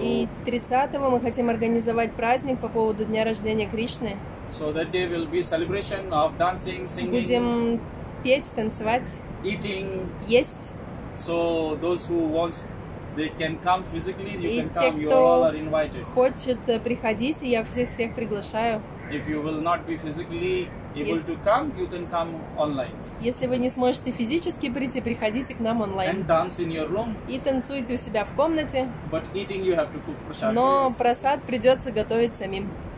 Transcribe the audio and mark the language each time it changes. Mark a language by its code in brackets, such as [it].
[ru] и 30-го мы хотим организовать праздник по поводу дня рождения Кришны. [en] So that day will be celebration of dancing, singing. [ru] Будем петь, танцевать. [en] Eating. [ru] Есть. [en] So those who wants, they can come physically, you can come, you all are invited. [ru] Хочет приходить, я всех приглашаю. [en] If you will not be physically able to come, you can come online. [ru] Если вы не сможете физически прийти, приходите к нам онлайн. [en] And dance in your room. [ru] И танцуйте у себя в комнате. [en] But eating you have to cook prasad. [ru] Но прасад придется готовить самим.